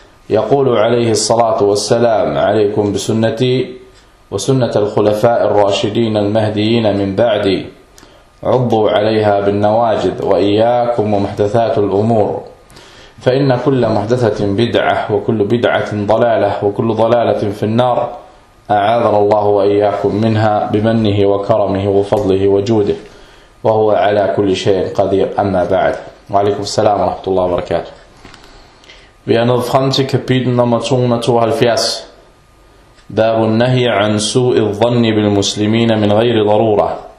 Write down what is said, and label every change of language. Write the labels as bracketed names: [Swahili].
[Arabic] يقول عليه الصلاة والسلام: عليكم بسنتي وسنة الخلفاء الراشدين المهديين من بعدي، عضوا عليها بالنواجد، وإياكم ومحدثات الأمور، فإن كل محدثة بدعة وكل بدعة ضلالة وكل ضلالة في النار، أعاذنا الله وإياكم منها بمنه وكرمه وفضله وجوده وهو على كل شيء قدير. أما بعد، وعليكم السلام ورحمة الله وبركاته. [Danish] Vi er nået frem til kapitel nummer 272. [Arabic] باب النهي عن سوء الظن بالمسلمين من غير ضرورة.